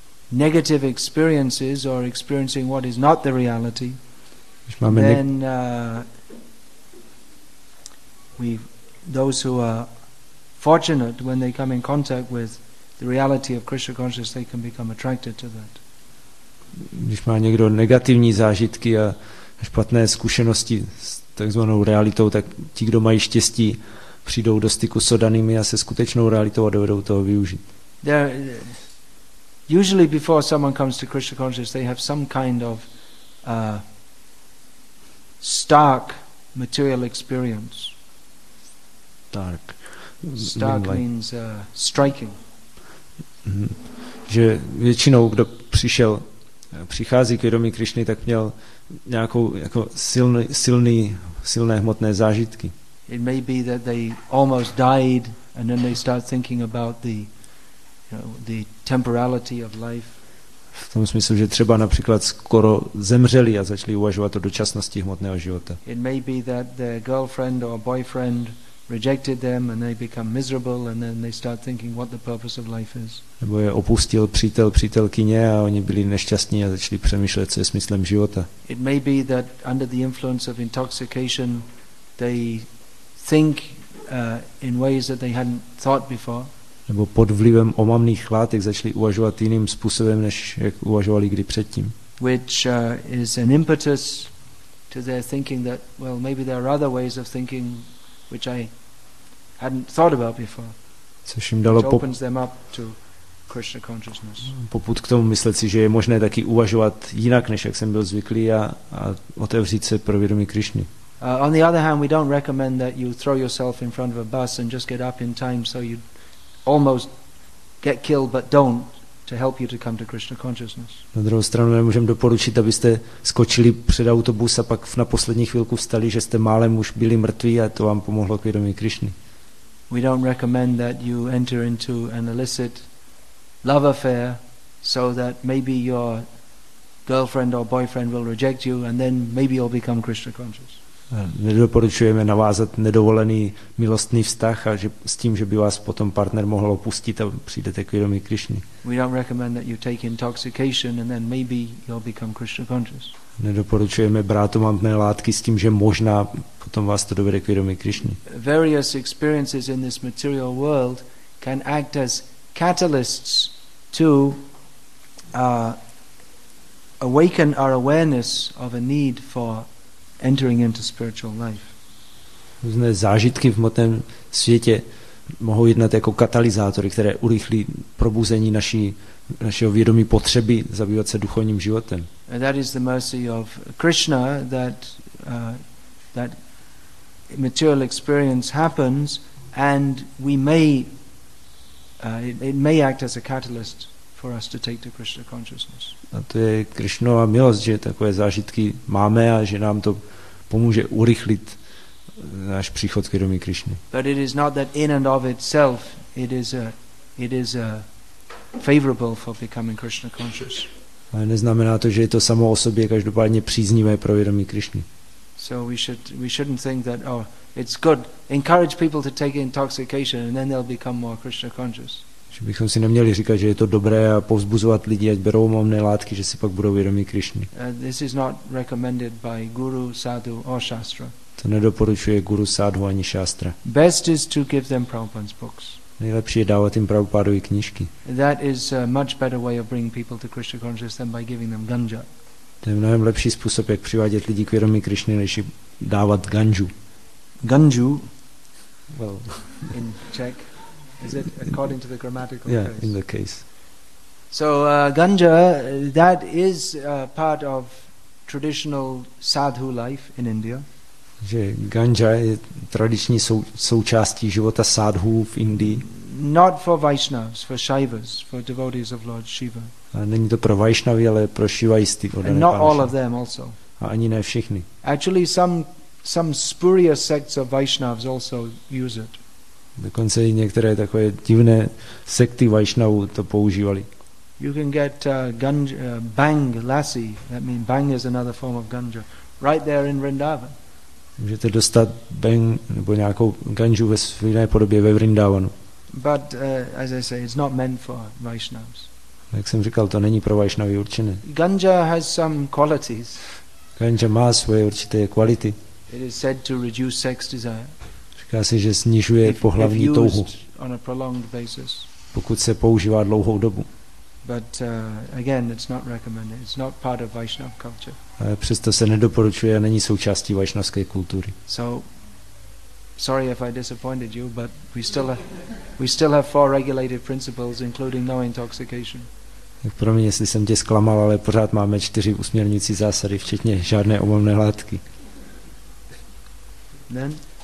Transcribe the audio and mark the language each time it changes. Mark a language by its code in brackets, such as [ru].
[en] Negative experiences or experiencing what is not the reality, then we, those who are fortunate when they come in contact with the reality of Krishna consciousness, they can become attracted to that. [cs] Když má někdo negativní zážitky a špatné zkušenosti s takzvanou realitou, tak ti, kdo mají štěstí, přijdou do styku s odanými a se skutečnou realitou a dovedou toho využít. [en] Usually before someone comes to Krishna consciousness, they have some kind of stark material experience. Dark. Stark means striking. Mm-hmm. [cs] Že většinou, kdo přišel, přichází k vědomí Krišny, tak měl nějakou jako silné hmotné zážitky. [en] It may be that they almost died and then they start thinking about the the temporality of life. [cs] V tom smyslu, že třeba například skoro zemřeli a začali uvažovat o dočasnosti hmotného života. [en] It may be that their girlfriend or boyfriend rejected them and they become miserable and then they start thinking what the purpose of life is. [cs] Nebo je opustil přítel, přítelkyně a oni byli nešťastní a začali přemýšlet, co je smyslem života. [en] It may be that under the influence of intoxication they think in ways that they hadn't thought before. [cs] Nebo pod vlivem omamných látek začali uvažovat jiným způsobem, než jak uvažovali kdy předtím. [en] Which is an impetus to their thinking that, well, maybe there are other ways of thinking which I hadn't thought about before. [cs] Což jim dalo [en] opens them up to Krishna consciousness. [cs] Popud k tomu myslet si, že je možné taky uvažovat jinak, než jak jsem byl zvyklý a otevřít se pro vědomí Krišny. [en] On the other hand, we don't recommend that you throw yourself in front of a bus and just get up in time so you almost get killed but don't to help you to come to Krishna consciousness. [cs] Na druhou stranu nemůžeme doporučit, abyste skočili před autobus a pak na poslední chvilku vstali, že jste málem už byli mrtví a to vám pomohlo k vědomí Krišny. [en] We don't recommend that you enter into an illicit love affair so that maybe your girlfriend or boyfriend will reject you and then maybe you'll become Krishna conscious. [cs] Nedoporučujeme navázat nedovolený milostný vztah a že s tím, že by vás potom partner mohl opustit a přijdete k vědomí Krišny. [en] We don't recommend that you take intoxication and then maybe you'll become Krishna conscious. [cs] Nedoporučujeme brát omamné látky s tím, že možná potom vás to dovede k vědomí Krišny. [en] Various experiences in this material world can act as catalysts to awaken our awareness of a need for entering into spiritual life. [cs] Různé zážitky v hmotném světě mohou jednat jako katalyzátory, které urychlí probuzení našeho vědomí potřeby zabývat se duchovním životem. [en] And that is the mercy of Krishna, that that material experience happens and we may it may act as a catalyst for us to take to Krishna consciousness. [cs] A to je Krishnova milost, že takové zážitky máme a že nám to pomůže urychlit náš příchod k vědomí Krishny. [en] But it is not that in and of itself it is a favorable for becoming Krishna conscious. [cs] Ale neznamená to, že je to samo o sobě každopádně příznivé pro vědomí Krishny. [en] So we shouldn't think that it's good, encourage people to take intoxication and then they'll become more Krishna conscious. [cs] Že bychom si neměli říkat, že je to dobré a povzbuzovat lidi, ať berou omamné látky, že si pak budou vědomí Krishny. [en] This is not recommended by guru, sadhu or shastra. [cs] To nedoporučuje guru, sadhu ani šastra. [en] Best is to give them Prabhupada's books. [cs] Nejlepší je dávat jim Prabhupádovy knížky. [en] That is a much better way of bringing people to Krishna consciousness than by giving them ganja. [cs] To je mnohem lepší způsob, jak přivádět lidi k vědomí Krishny, než jim dávat ganžu. Ganžu? [en] Well, in Czech, is it according to the grammatical case? Yeah, phrase? In the case. So ganja, that is part of traditional sadhu life in India. [cs] Že ganja je tradiční součástí života sadhů v Indii. [en] Not for Vaishnavs, for Shaivas, for devotees of Lord Shiva. [cs] A není to pro Vaishnavy, ale pro Shivaisty. [en] And not all of them also. [cs] A ani ne všichni. [en] Actually some spurious sects of Vaishnavs also use it. [cs] Dokonce i některé takové divné sekty Vaishnavů to používali. [en] You can get ganja, bang lassi, that means bang is another form of ganja, right there in Vrindavan. [cs] Můžete dostat bang nebo nějakou ganžu ve své podobě ve Vrindavanu. [en] But as I say, it's not meant for Vaishnavs. [cs] Jak jsem říkal, to není pro Vaishnavy určené. [en] Ganja has some qualities. [cs] Ganja má svoje určité kvality. [en] It is said to reduce sex desire. [cs] Říká se, že snižuje pohlavní touhu. [en] On a prolonged basis. [cs] Pokud se používá dlouhou dobu. [en] But again, it's not recommended. It's not part of Vaishnav culture. [cs] Ale přesto se nedoporučuje a není součástí vaishnavské kultury. [en] So, sorry if I disappointed you, but we still have four regulated principles, including no intoxication. [cs] Tak promiň, jestli jsem tě zklamal, ale pořád máme čtyři usměrňující zásady, včetně žádné omamné látky. [en] Then?